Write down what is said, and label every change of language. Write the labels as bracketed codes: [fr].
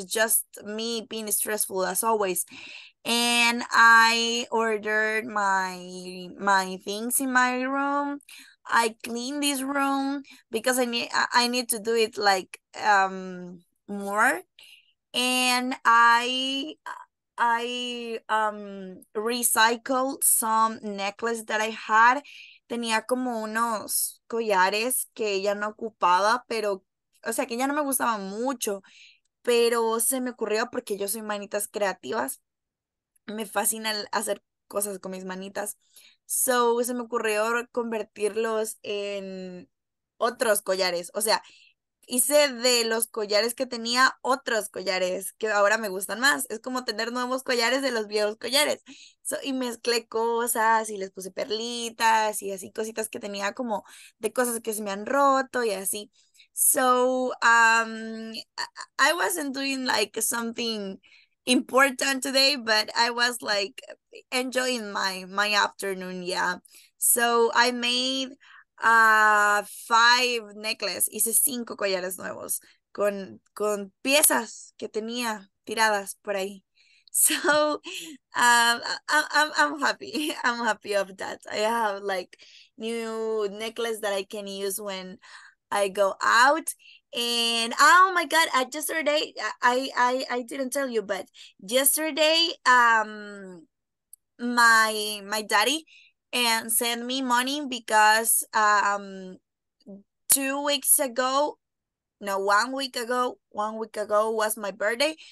[en] It's just me being stressful as always. And I ordered my things in my room. I cleaned this room because I need to do it like more. And I recycled some necklace that I had. [es] Tenía como unos collares que ya no ocupaba, pero, o sea, que ya no me gustaban mucho, pero se me ocurrió porque yo soy manitas creativas. Me fascina hacer cosas con mis manitas. So se me ocurrió convertirlos en otros collares. O sea, hice de los collares que tenía otros collares que ahora me gustan más. Es como tener nuevos collares de los viejos collares. Y mezclé cosas y les puse perlitas y así cositas que tenía como de cosas que se me han roto y así. [en] I wasn't doing like something important today, but I was like enjoying my afternoon, yeah. So I made five necklaces, [es] hice cinco collares nuevos con piezas que tenía tiradas por ahí. [en] So I'm happy. I'm happy of that. I have like new necklace that I can use when I go out. And oh my God, I didn't tell you, but yesterday my daddy and send me money because 2 weeks ago, no, 1 week ago, 1 week ago was my birthday.